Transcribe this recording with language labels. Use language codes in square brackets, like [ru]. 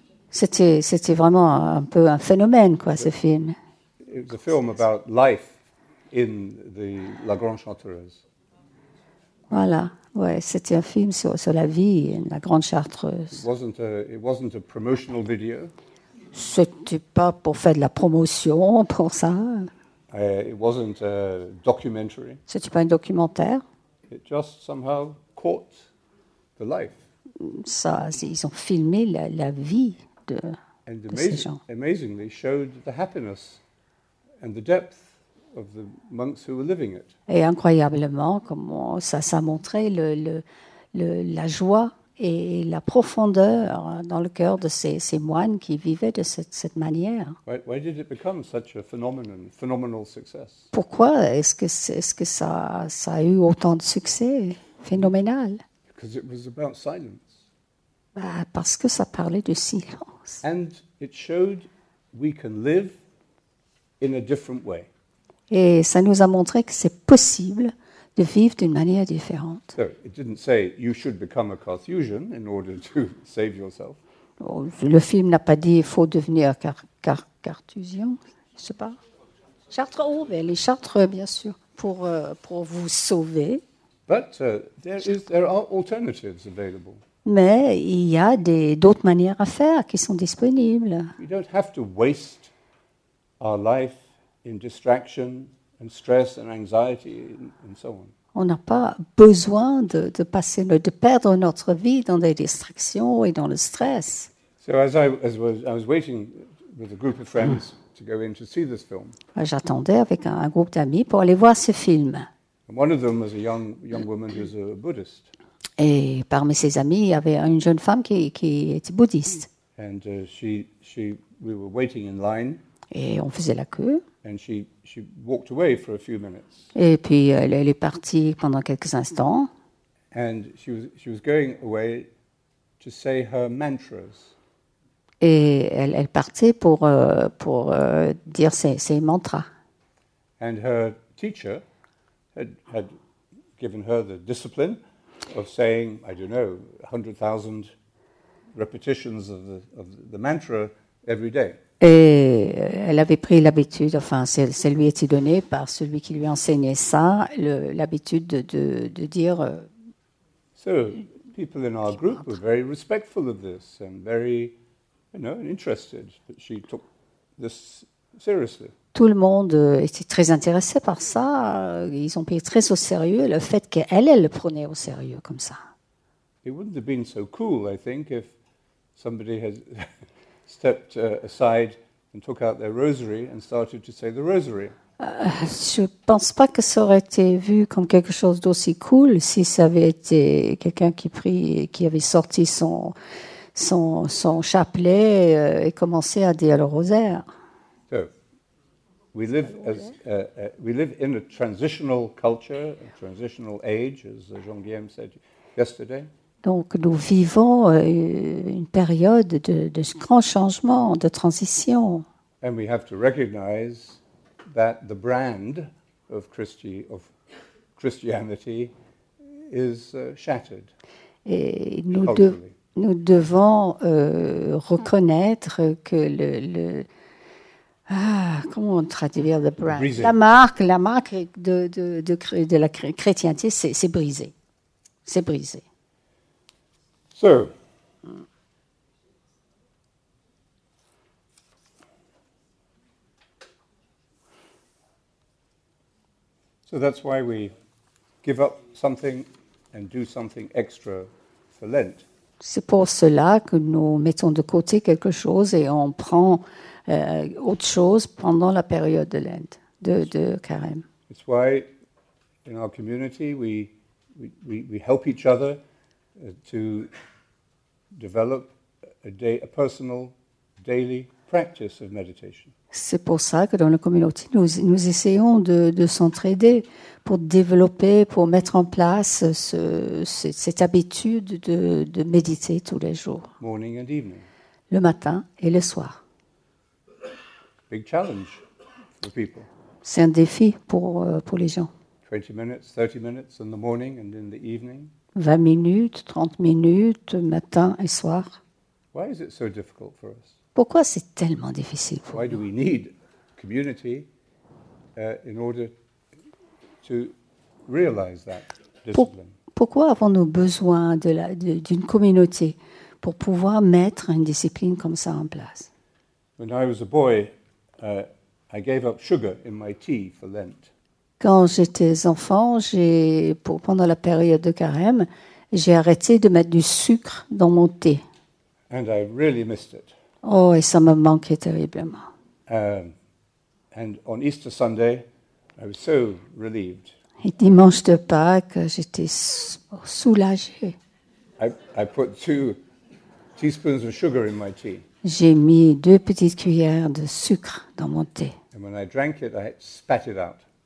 [fr] C'était vraiment un peu un phénomène, quoi, ce film. [en] It was a film about life in the La Grande Chartreuse. [fr] Voilà, ouais, c'était un film sur la vie en La Grande Chartreuse. [en] It wasn't a promotional video. [fr] C'était pas pour faire de la promotion pour ça. [en] It wasn't a documentary. [fr] C'était pas un documentaire. [en] It just somehow caught the life. [fr] Ça, ils ont filmé la vie de ces gens. [en] Amazingly showed the happiness and the depth of the monks who were living it. [fr] Et incroyablement, comment ça a montré la joie et la profondeur dans le cœur de ces moines qui vivaient de cette manière. [en] Why did it become such a phenomenal success? [fr] Pourquoi est-ce que ça a eu autant de succès phénoménal? [en] Because it was about silence. [fr] Bah, parce que ça parlait du silence. [en] And it showed we can live in a different way. [fr] Et ça nous a montré que c'est possible de vivre d'une manière différente. [en] So, it didn't say you should become a Carthusian in order to save yourself. [fr] Le film n'a pas dit il faut devenir Carthusian, je sais pas. Chartreux, oh, mais les Chartreux, bien sûr, pour vous sauver. [en] But there are alternatives available. [fr] Mais il y a d'autres manières à faire qui sont disponibles. [en] We don't have to waste our life in distraction. And stress and anxiety and so on. [fr] On n'a pas besoin de perdre notre vie dans des distractions et dans le stress. [en] So as I was waiting with a group of friends to go in to see this film. [fr] J'attendais avec un groupe d'amis pour aller voir ce film. [en] One of them was a young woman who's a Buddhist. [fr] Et parmi ses amis, il y avait une jeune femme qui était bouddhiste. [en] And we were waiting in line. [fr] Et on faisait la queue. [en] And she walked away for a few minutes. [fr] Et puis elle est partie pendant quelques instants. [en] And she was going away to say her mantras. [fr] Et elle partait pour dire ses mantras. [en] And her teacher had given her the discipline of saying, I don't know, 100,000 repetitions of the mantra every day. [fr] Et elle avait pris l'habitude, enfin, ça lui était donné par celui qui lui enseignait ça, l'habitude de dire. [en] So people in our group were very respectful of this and very, you know, interested that she took this seriously. [fr] Tout le monde était très intéressé par ça. Ils ont pris très au sérieux le fait qu'elle le prenait au sérieux comme ça. [en] It wouldn't have been so cool, I think, if somebody had stepped aside and took out their rosary and started to say the rosary. [fr] Je ne pense pas que ça aurait été vu comme quelque chose d'aussi cool si ça avait été quelqu'un qui prie, qui avait sorti son chapelet et commencé à dire le rosaire. [en] So, we live in a transitional culture, a transitional age, as Jean-Guillaume said yesterday. [fr] Donc, nous vivons une période de grand changement, de transition. [en] And we have to recognize that the brand of Christianity is shattered. [fr] Et nous devons reconnaître que comment on traduit le brand? Brisé. La marque de la chrétienté, c'est brisé. C'est brisé. [en] So, that's why we give up something and do something extra for Lent. [fr] C'est pour cela que nous mettons de côté quelque chose et on prend autre chose pendant la période de Lent, de carême. [en] It's why in our community we help each other to develop a personal daily practice of meditation. [fr] C'est pour ça que dans la communauté, nous essayons de s'entraider pour développer, pour mettre en place cette habitude de méditer tous les jours. [en] Morning and evening. [fr] Le matin et le soir. [en] Big challenge for people. [fr] C'est un défi pour les gens. [en] 20 minutes, 30 minutes in the morning and in the evening. [fr] 20 minutes, 30 minutes, matin et soir. [en] Why is it so difficult for us? [fr] Pourquoi c'est tellement difficile pour [en] Why [fr] nous? [en] Why do we need community in order to realize that discipline? [fr] Pourquoi avons-nous besoin d'une communauté pour pouvoir mettre une discipline comme ça en place? [en] When I was a boy, I gave up sugar in my tea for Lent. [fr] Quand j'étais enfant, pendant la période de carême, j'ai arrêté de mettre du sucre dans mon thé. [en] And I really missed it. [fr] Oh, et ça me manquait terriblement. [en] And on Easter Sunday, I was so relieved. [fr] Et dimanche de Pâques, j'étais soulagée. [en] I put 2 teaspoons of sugar in my tea. [fr] J'ai mis 2 petites cuillères de sucre dans mon thé. [en] And when I drank it, I spat it out.